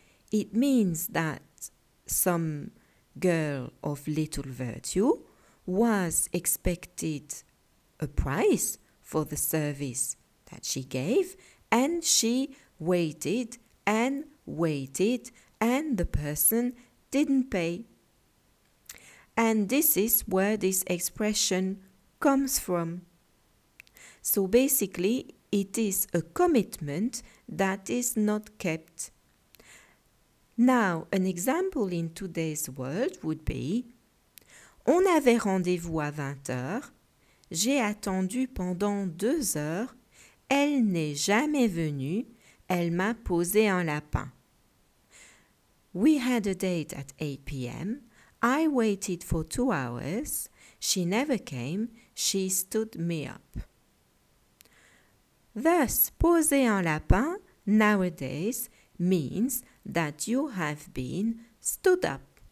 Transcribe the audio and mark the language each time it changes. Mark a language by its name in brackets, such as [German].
[English] It means that some girl of little virtue was expected a prize for the service that she gave, and she waited and waited, and the person didn't pay. And this is where this expression comes from. So basically, it is a commitment that is not kept. Now, an example in today's world would be, [French] on avait rendez-vous à 20h, j'ai attendu pendant 2 heures, elle n'est jamais venue, elle m'a posé un lapin. [English] We had a date at 8 p.m., I waited for 2 hours, she never came, she stood me up. Thus, [French] poser un lapin [English] nowadays means that you have been stood up.